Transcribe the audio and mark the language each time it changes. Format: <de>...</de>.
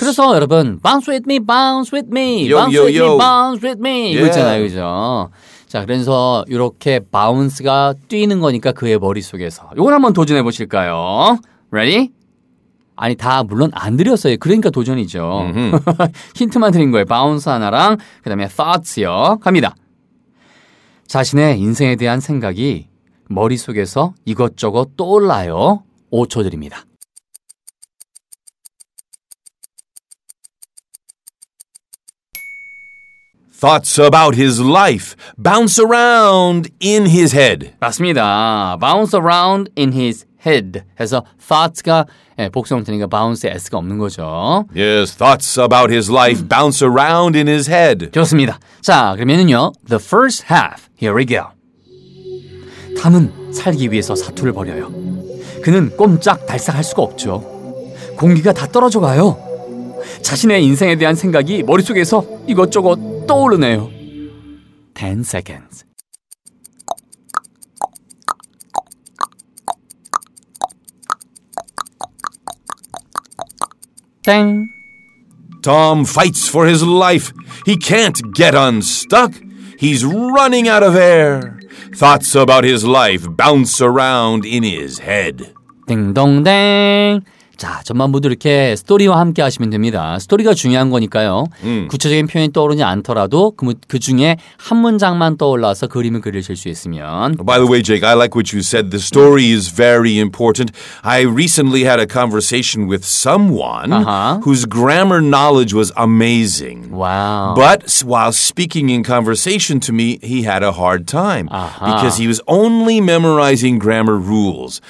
<ko>그래서 여러분,</ko> <en>bounce with me, bounce with me. Yo, bounce yo, with yo. me, bounce with me. Yeah.</en> <ko>이거 있잖아요, 그죠? 자, 그래서 이렇게 바운스가 뛰는 거니까 그의 머릿속에서. 이걸 한번 도전해 보실까요?</ko> <en>Ready?</en> <ko>아니, 다 물론 안 드렸어요. 그러니까 도전이죠. Mm-hmm. 힌트만 드린 거예요. 바운스 하나랑 그 다음에 thoughts요. 갑니다. 자신의 인생에 대한 생각이 머릿속에서 이것저것 떠올라요. 5초 드립니다.</ko> <en>Thoughts about his life bounce around in his head.</en> <ko>맞습니다.</ko> <en>Bounce around in his head.</en> <ko>해서 thoughts가 예, 복수형태니까 bounce에 s가 없는 거죠.</ko> <en>Yes, thoughts about his life bounce around in his head.</en> <ko>좋습니다. 자, 그러면은요.</ko> <en>The first half. Here we go.</en> <ko>탐은 살기 위해서 사투를 벌여요. 그는 꼼짝 달싹할 수가 없죠. 공기가 다 떨어져 가요. 자신의 인생에 대한 생각이 머릿속에서 이것저것 떠오르네요.</ko> <en>10 seconds.</en> <ko>땡.</ko> <en>Tom fights for his life. He can't get unstuck. He's running out of air. Thoughts about his life bounce around in his head.</en> <ko>띵동댕. 자, 전반부도 이렇게 스토리와 함께 하시면 됩니다. 스토리가 중요한 거니까요. 구체적인 표현이 떠오르지 않더라도 그 중에 한 문장만 떠올라서 그림을 그리실 수 있으면.</ko> <en>By the way, Jake, I like what you said. The story is very important. I recently had a conversation with someone whose grammar knowledge was amazing. Wow. But while speaking in conversation to me, he had a hard time. Uh-huh. Because he was only memorizing grammar rules.</en>